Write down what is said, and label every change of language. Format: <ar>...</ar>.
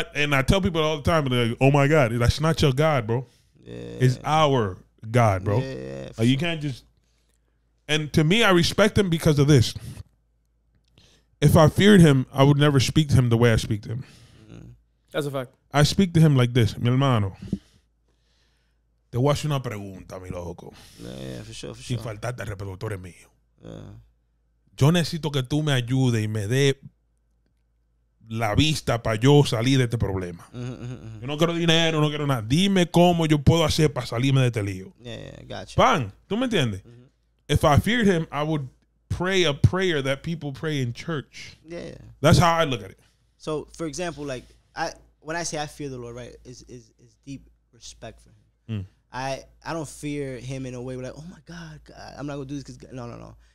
<en>And I tell people all the time, like, oh my God, that's not your God, bro. Yeah. It's our God, bro. Yeah, like, you can't just. And to me, I respect him because of this. If I feared him, I would never speak to him the way I speak to him. Mm-hmm. That's a fact. I speak to him like this,</en> <es>mi hermano. Te voy a hacer una pregunta, mi loco.</es> <en>Yeah, for sure, for sure.</en> <es>Sin faltarte al respeto, tú eres mío. Yo necesito que tú me ayudes y me dé la vista para yo salir de este problema. Mm-hmm. Yo no quiero dinero, no quiero nada. Dime cómo yo puedo hacer para salirme de este lío.</es> <en>Yeah, gotcha.</en> <es>Pan, ¿tú me entiendes? Mm-hmm.</es> <en>If I feared him, I would pray a prayer that people pray in church. Yeah. That's how I look at it. So, for example, like, when I say I fear the Lord, right, is deep respect for him. I don't fear him in a way where, like, oh my God, I'm not gonna do this because no.</en>